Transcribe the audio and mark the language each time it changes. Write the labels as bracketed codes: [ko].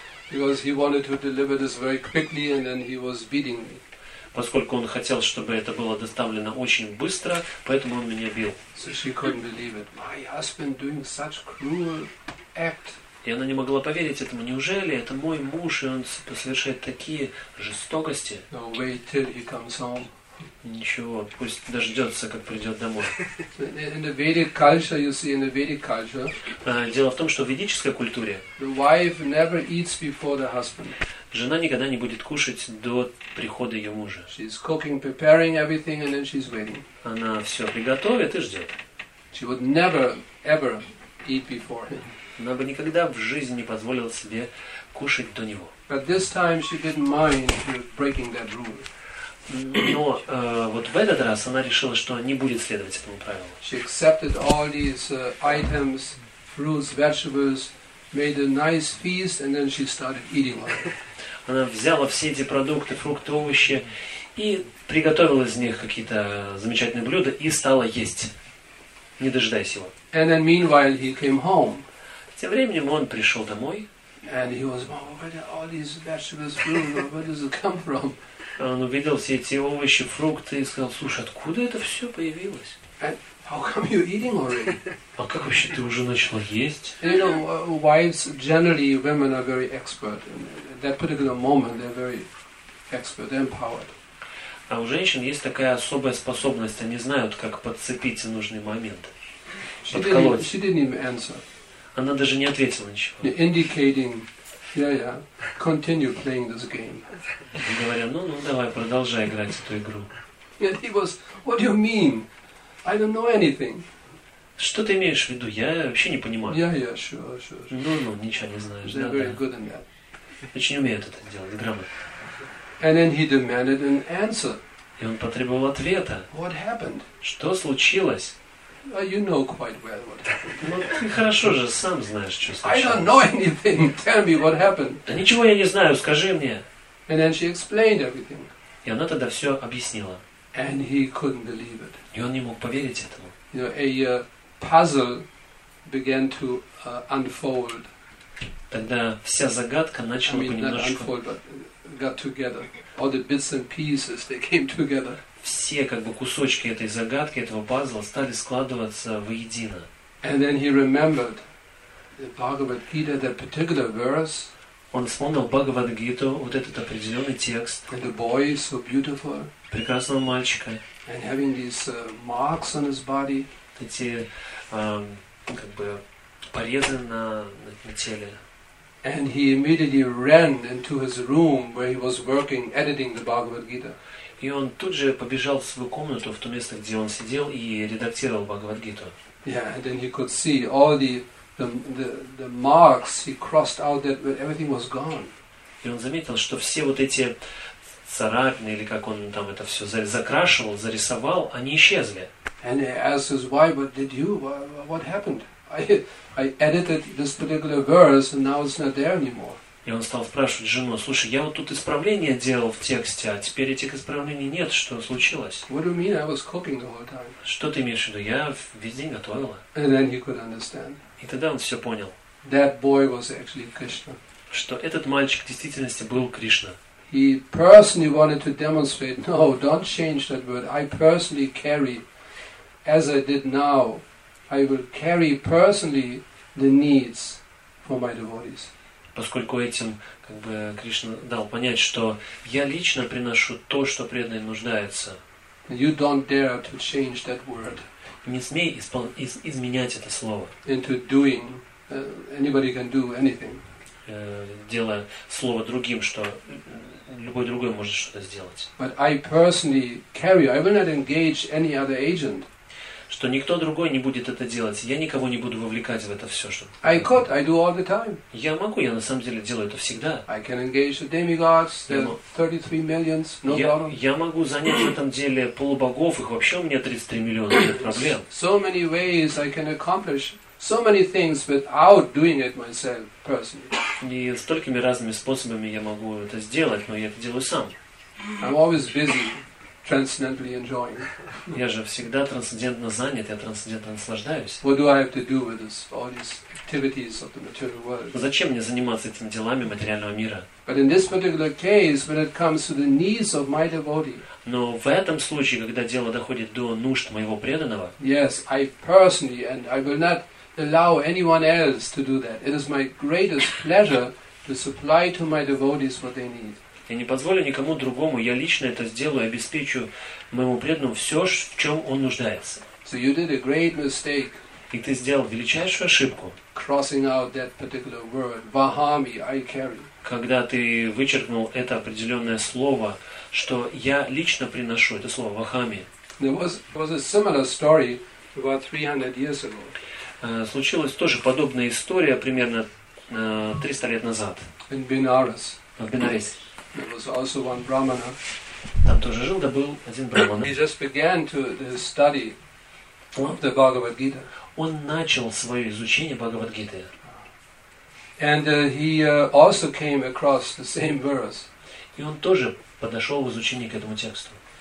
[en] Because he wanted to deliver this very quickly, and then he was beating me. [ru] Поскольку он хотел, чтобы это было доставлено очень быстро, поэтому он меня бил. [en] So she couldn't believe it. My husband doing such cruel act. [ru] И она не могла поверить этому. Неужели это мой муж, и он совершает такие жестокости? [en] No, wait till he comes home. [ru] Ничего, пусть дождется, как придет домой. [en] In the Vedic culture, you see, in the Vedic culture, [ru] дело в том, что в ведической культуре [en] the wife never eats before the husband. [ru] Жена никогда не будет кушать до прихода ее мужа. [en] She's cooking, preparing everything, and then she's waiting. [ru] Она все приготовит и ждет. [en] She would never, ever eat before him. [ru] Она бы никогда в жизни не позволила себе кушать до него. [en] But this time she didn't mind breaking that rule. [ru] Но вот в этот раз она решила, что не будет следовать этому правилу. [en] She accepted all these items, fruits, vegetables, made a nice feast, and then she started eating them. [ru] Она взяла все эти продукты, фрукты, овощи и приготовила из них какие-то замечательные блюда и стала есть, не дожидаясь его. [en] And then meanwhile he came home. [ru] Тем временем он пришел домой. [en] And he was, oh, where did all these vegetables grow? Where does it come from? [ru] Он увидел все эти овощи, фрукты и сказал, слушай, откуда это все появилось? [en] And how come you eating already? [ru] А как вообще ты уже начала есть? [en] You know, wives generally, women are very expert. In that particular moment, they're very expert, they're empowered. [ru] А у женщин есть такая особая способность, они знают, как подцепить нужный момент. [en] She didn't even answer. [ru] Она даже не ответила ничего. [en] Indicating, yeah, continue playing this game. [ru] Говоря, ну, давай, продолжай играть эту игру. [en] And he was, what do you mean? I don't know anything. [ru] Что ты имеешь в виду? Я вообще не понимаю. [en] Yeah, sure. [ru] Ну, ничего не знаешь. [en] They're very good in that. [ru] Очень умеют это делать, грамотно. [en] And then he demanded an answer. [ru] И он потребовал ответа. [en] What happened? [ru] Что случилось? [en] You know quite well what happened. [ru] Ну, ты хорошо же сам знаешь, что случилось. [en] I don't know anything. Tell me what happened. [ru] Да ничего я не знаю, скажи мне. [en] And then she explained everything. [ru] И она тогда все объяснила. [en] And he couldn't believe it. [ru] И он не мог поверить этому. [en] You know, a puzzle began to unfold. [ru] Тогда вся загадка начала понемножку... [en] not unfold, but got together. All the bits and pieces, they came together. [ru] Все как бы кусочки этой загадки, этого пазла стали складываться воедино. [en] And then he remembered the Bhagavad Gita, that particular verse. [ru] Он вспомнил Бхагавад-гиту, вот этот определенный текст. [en] And the boy is so beautiful. [ru] Прекрасного мальчика. [en] And having these marks on his body. [ru] Эти как бы порезы на теле. [en] And he immediately ran into his room where he was working, editing the Bhagavad-gita. [ru] И он тут же побежал в свою комнату, в то место, где он сидел и редактировал Бхагавад-гиту. [en] Yeah, and then he could see all the marks he crossed out that everything was gone. [ru] И он заметил, что все вот эти царапины, или как он там это все закрашивал, зарисовал, они исчезли. [en] And he asked his wife, what did you, what happened? I edited this particular verse and now it's not there anymore. [ru] И он стал спрашивать жену, слушай, я вот тут исправления делал в тексте, а теперь этих исправлений нет, что случилось? [en] What do you mean? I was cooking the whole time. [ru] Что ты имеешь в виду? Я весь день готовила. [en] And then he could understand. [ru] И тогда он все понял. [en] That boy was actually Krishna. [ru] Что этот мальчик в действительности был Кришна. [en] He personally wanted to demonstrate, no, don't change that word. I personally carry, as I did now, I will carry personally the needs for my devotees. [ru] Поскольку этим как бы Кришна дал понять, что я лично приношу то, что преданный нуждается. [en] You don't dare to change that word. [ru] Не смей изменять это слово. [en] Into doing. Anybody can do anything. [ru] Делая слово другим, что любой другой может что-то сделать. [en] But I personally carry. I will not engage any other agent. [ru] Что никто другой не будет это делать. Я никого не буду вовлекать в это все. Что... [en] I could, I do all the time. [ru] Я могу, я на самом деле делаю это всегда. [en] I can engage the demigods, the 33 millions, no problem. [ru] Я могу занять в этом деле полубогов, их вообще у меня 33 миллиона, нет проблем. [en] So many ways I can accomplish so many things without doing it myself personally. [ru] И столькими разными способами я могу это сделать, но я это делаю сам. [en] I'm always busy. Transcendently enjoying. [ru] Я же всегда трансцендентно занят, я трансцендентно наслаждаюсь. [en] What do I have to do with this, all these activities of the material world? [ru] Зачем мне заниматься этими делами материального мира? [en] But in this particular case, when it comes to the needs of my devotee. [ru] Но в этом случае, когда дело доходит до нужд моего преданного. [en] Yes, I personally, and I will not allow anyone else to do that. It is my greatest pleasure to supply to my devotees what they need. [ru] Я не позволю никому другому, я лично это сделаю, обеспечу моему преданному все, в чем он нуждается. [en] So you did a great mistake. [ru] И ты сделал величайшую ошибку. [en] Crossing out that particular word, Vahami, I carry. [ru] Когда ты вычеркнул это определенное слово, что я лично приношу это слово Вахами. [en] There was a similar story about 300 years ago. [ru] Случилась тоже подобная история примерно 300 лет назад. [en] In Benares. [ru] В Бенарес. [en] There was also one Brahmana. [ru] Там тоже жил, да, был один Брахмана. [en] He just began to his study of the Bhagavad Gita. [ru] Он начал свое изучение Бхагавад Гиты. [en] And he also came across the same verse. [ru] И он тоже подошел в изучении к этому тексту.